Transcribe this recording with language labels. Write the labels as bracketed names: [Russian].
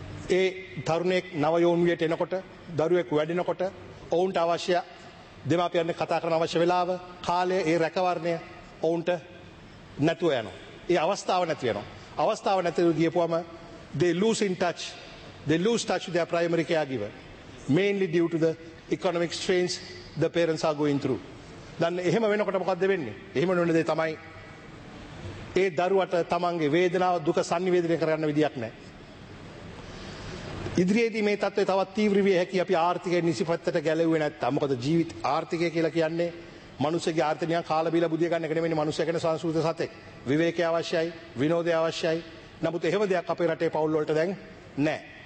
[Sinhala] ඒ තරුණෙක් නව යෝන් වියට එනකොට දරුවෙක් වැඩෙනකොට ඔවුන්ට අවශ්‍ය දෙමාපියන් කතා කරන අවශ්‍ය වෙලාව කාලය ඒ රැකවරණය ඔවුන්ට නැතුව යනවා. ඒ අවස්ථාව නැති වෙනවා. අවස්ථාව නැතිව ගියපුවම [English] they lose in touch. They lose touch with their primary caregiver, mainly due to the economic strains the parents are going through. [Sinhala] Then එහෙම වෙනකොට මොකද වෙන්නේ? එහෙම වෙන දේ තමයි ඒ දරුවට තමන්ගේ වේදනාව දුක sannivedana කරගන්න විදියක් නැහැ. ඉදිරියේදී මේ තත්ත්වය තවත් තීව්‍ර විය හැකි අපි ආර්ථිකයේ නිසිපැත්තට ගැලෙුවේ නැත්තම් මොකද ජීවිත ආර්ථිකය කියලා කියන්නේ මිනිස්සුගේ ආර්ථිකයන් කාලා බීලා බුදිය ගන්න එක නෙමෙයි මිනිස්සු එකන සංස්කෘත සතෙක් විවේකය අවශ්‍යයි විනෝදය අවශ්‍යයි නමුත් එහෙම දෙයක් අපේ රටේ පවුල් වලට දැන් නැහැ